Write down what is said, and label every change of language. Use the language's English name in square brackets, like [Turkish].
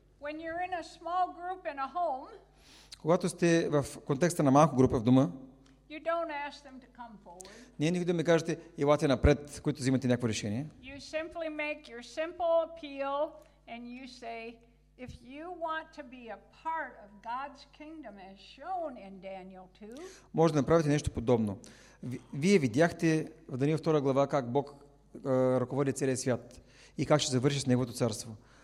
[English] When you're in a small group in a home, [Bulgarian] когато сте в контекста на малка група в дома, [English] You don't ask them to come forward. [Bulgarian] Не никога ми кажете елате напред, които взимате някакво решение. [English] You simply make your simple appeal and you say, if you want to be a part of God's kingdom as shown in Daniel 2. [Bulgarian] Може да направите нещо подобно. Вие видяхте в Даниил 2 глава как Бог ръководи целия свят и как ще завърши с неговото царство.